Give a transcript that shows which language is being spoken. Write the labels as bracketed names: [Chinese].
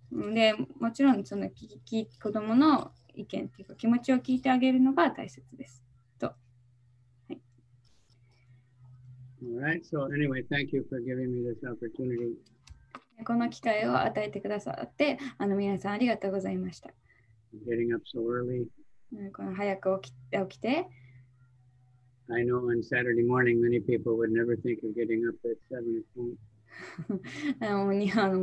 [Japanese] でもちろんその子どもの意見というか気持ちを聞いてあげるのが大切ですと、はい、 [English] All right. So anyway, thank you for giving me this opportunity. [Japanese] この機会を与えてくださって、皆さんありがとうございました。 [English] Getting up so early. [Japanese] この早く起きて、 [English] I know on Saturday morning many people would never think of getting up at 7 o'clock.